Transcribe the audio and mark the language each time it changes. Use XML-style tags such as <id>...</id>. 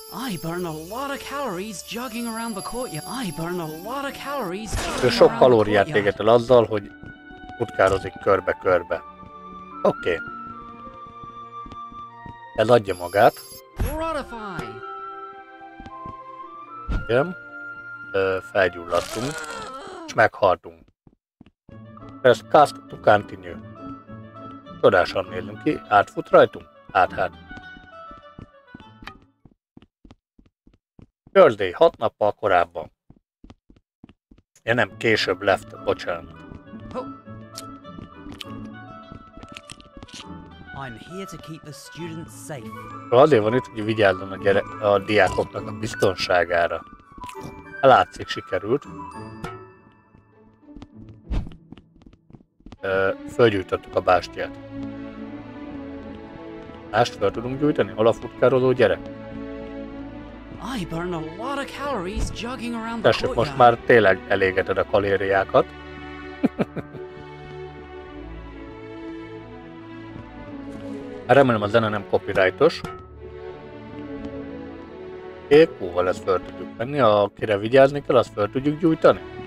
<en>I burn a lot of calories jogging around the courtyard. I burn a lot of calories.</en> <hu>Ő sok kalóriát éget el azzal, hogy futkározik körbe-körbe. Oké. Okay. Eladja magát. Ronify. Igen. Felgyulladtunk. És meghaltunk. Ez</hu> <en>cast to continue.</en> <hu>Csodásan nézünk ki. Átfut rajtunk? Hát. Thursday, 6 nappal korábban. Ja nem, később left, bocsánat.</hu> <en>I'm here to keep the students safe.</en> <hu>Azért van itt, hogy vigyázzon a diákoknak a biztonságára. Látszik, sikerült. Fölgyújtottuk a bástyát. Mást fel tudunk gyújtani? Hol a futkározó gyerek?</hu> <en>I burn a lot of calories jogging around the courtyard.</en> <hu>Most már tényleg elégeted a kalóriákat. Remélem a zene nem copyrightos. Q-val ezt fel tudjuk venni, akire vigyázni kell, azt fel tudjuk gyújtani.</hu>